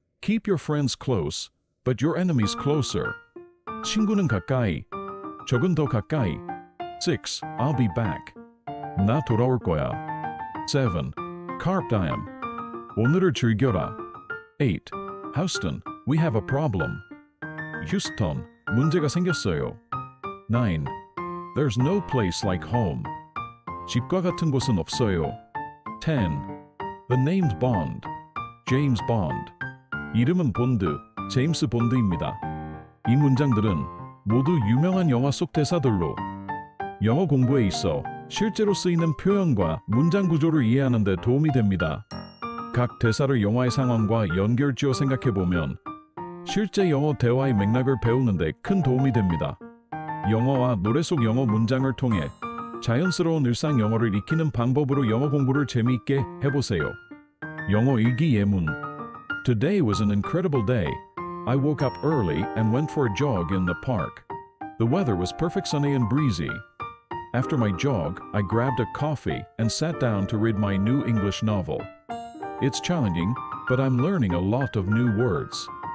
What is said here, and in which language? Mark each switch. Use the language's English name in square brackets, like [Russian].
[English] Keep your friends close, but your enemies closer. [Korean] 친구는 가까이, 적은 더 가까이. [English] 6. I'll be back. [Korean] 나 돌아올 거야. [English] 7. [Latin] Carpe diem. [Korean] 오늘을 즐겨라. [English] 8. Houston, we have a problem. Houston, [Korean] 문제가 생겼어요. [English] 9. There's no place like home. [Korean] 집과 같은 곳은 없어요. [English] 10. The name's Bond. James Bond. [Korean] 이름은 본드, 제임스 본드입니다. 이 문장들은 모두 유명한 영화 속 대사들로 영어 공부에 있어 실제로 쓰이는 표현과 문장 구조를 이해하는 데 도움이 됩니다. 각 대사를 영화의 상황과 연결지어 생각해보면 실제 영어 대화의 맥락을 배우는 데 큰 도움이 됩니다. 영어와 노래 속 영어 문장을 통해 자연스러운 일상 영어를 익히는 방법으로 영어 공부를 재미있게 해보세요. 영어 일기 예문. [English] Today was an incredible day. I woke up early and went for a jog in the park. The weather was perfect sunny and breezy. After my jog, I grabbed a coffee and sat down to read my new English novel. It's challenging, but I'm learning a lot of new words.